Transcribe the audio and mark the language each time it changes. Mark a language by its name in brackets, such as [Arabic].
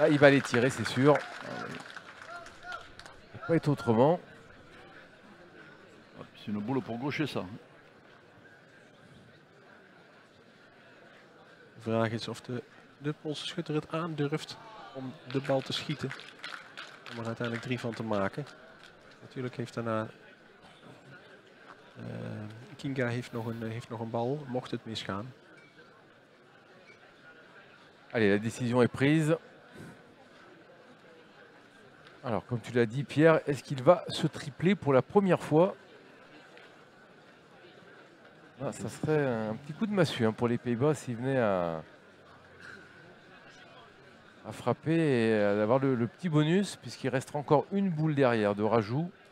[French] Là il va les tirer, c'est sûr. Ah, oui. Ça peut être autrement. Ah, c'est une boule pour gaucher ça. [Dutch] De vraag is of de Poolse schutter het aandurft om de bal te schieten. Om er uiteindelijk drie van te maken. Natuurlijk heeft daarna. Kinga heeft nog een bal, mocht het misgaan. [French] Allez, la décision est prise. Alors, comme tu l'as dit, Pierre, est-ce qu'il va se tripler pour la première fois? Ah, ça serait un petit coup de massue hein, pour les Pays-Bas s'il venait à frapper et à avoir le petit bonus, puisqu'il restera encore une boule derrière de rajout.